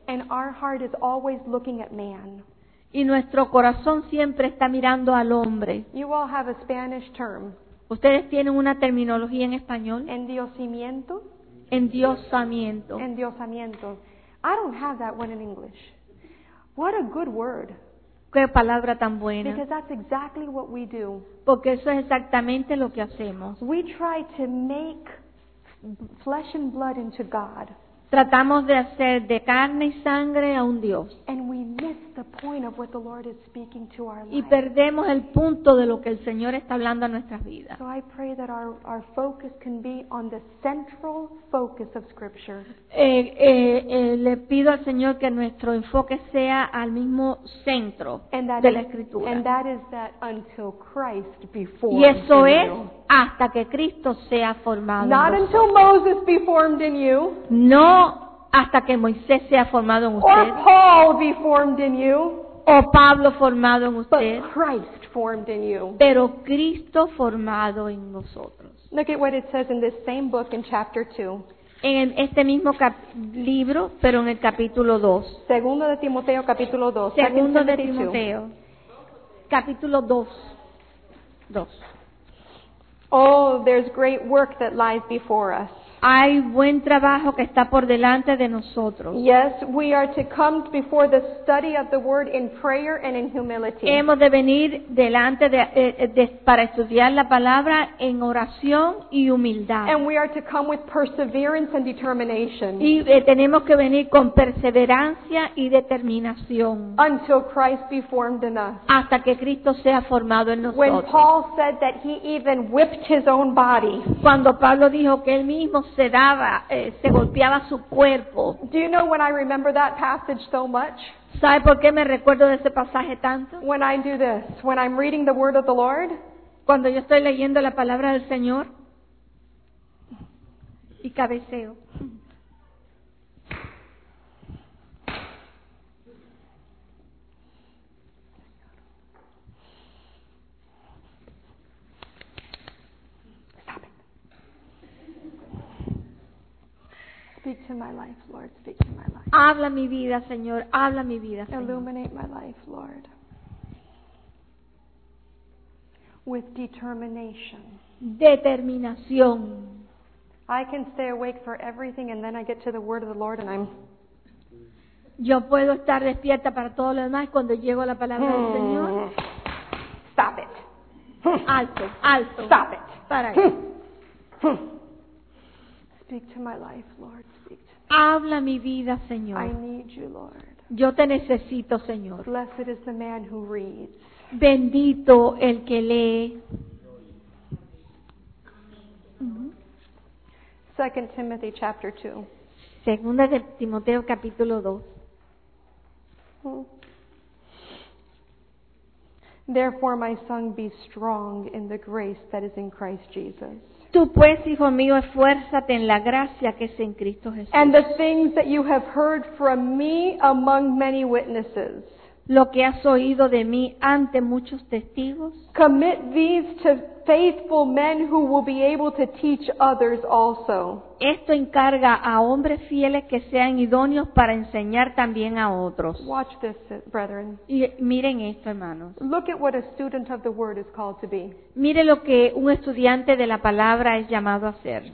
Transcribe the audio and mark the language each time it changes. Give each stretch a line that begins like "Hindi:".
English: And our heart is always looking at man.
Spanish: Y nuestro corazón siempre está mirando al hombre.
English: You all have a Spanish term.
Spanish: Ustedes tienen una terminología en español. Endiosamiento. Endiosamiento.
English: Endiosamiento. I don't have that one in English. What a good word.
Spanish: Qué palabra tan buena.
English: Because that's exactly what we do.
Spanish: Porque eso es exactamente lo que hacemos.
English: We try to make flesh and blood into God.
Spanish: Tratamos de hacer de carne y sangre a un Dios.
English: And we miss the point of what the Lord is speaking to our lives.
Spanish: Y perdemos el punto de lo que el Señor está hablando a nuestras vidas.
English: So I pray that our focus can be on the central focus of Scripture.
Spanish: Le pido al Señor que nuestro enfoque sea al mismo centro de la Escritura.
English: And that is that until Christ be formed.
Spanish: Y eso es hasta que Cristo sea formado.
English: Not until Moses be formed in you.
Spanish: No hasta que Moisés sea formado en usted.
English: Or Paul be formed in you.
Spanish: O Pablo formado en usted.
English: But Christ formed in you.
Spanish: Pero Cristo formado en nosotros.
English: Look at what it says in this same book in chapter 2.
Spanish: En este mismo libro, pero en el capítulo 2. Segundo de Timoteo, capítulo 2. Segundo de Timoteo, capítulo 2.
English: Oh, there's great work that lies before us.
Spanish: hay buen trabajo que está por delante de nosotros.
English: Yes, we are to come before the study of the word in prayer and in humility.
Spanish: Hemos de venir delante de para estudiar la palabra en oración y humildad.
English: And we are to come with perseverance and determination.
Spanish: Y tenemos que venir con perseverancia y determinación.
English: Until Christ be formed in us.
Spanish: Hasta que Cristo sea formado en nosotros.
English: When Paul said that he even whipped his own body.
Spanish: Cuando Pablo dijo que él mismo se daba, se golpeaba su cuerpo.
English: Do you know when I remember that passage so much?
Spanish: ¿Sabe por qué me recuerdo de ese pasaje tanto?
English: When I do this, when I'm reading the word of the Lord.
Spanish: Cuando yo estoy leyendo la palabra del Señor y cabeceo.
English: Speak to my life, Lord. Speak to my life.
Spanish: Habla mi vida, Señor. Habla mi vida, Señor.
English: Illuminate my life, Lord. With determination.
Spanish: Determinación.
English: I can stay awake for everything and then I get to the word of the Lord and I'm...
Spanish: Yo puedo estar despierta para todo lo demás cuando llego a la palabra del Señor.
English: Stop it.
Spanish: Alto, alto.
English: Stop it.
Spanish: Para ahí.
English: Speak to my life, Lord.
Spanish: Habla mi vida, Señor.
English: I need you, Lord.
Spanish: Yo te necesito, Señor.
English: Blessed is the man who reads.
Spanish: Bendito el que lee.
English: 2 Timothy chapter 2.
Spanish: Segunda de Timoteo capítulo 2.
English: Therefore, my son, be strong in the grace that is in Christ Jesus.
Spanish: Tú pues, hijo mío, esfuérzate en la gracia que es en Cristo Jesús.
English: And the things that you have heard from me among many witnesses.
Spanish: Lo que has oído de mí ante muchos testigos.
English: Commit these to faithful men who will be able to teach others also.
Spanish: Esto encarga a hombres fieles que sean idóneos para enseñar también a otros.
English: Watch this, brethren.
Spanish: Y miren esto, hermanos.
English: Look at what a student of the word is called to be.
Spanish: Mire lo que un estudiante de la palabra es llamado a ser.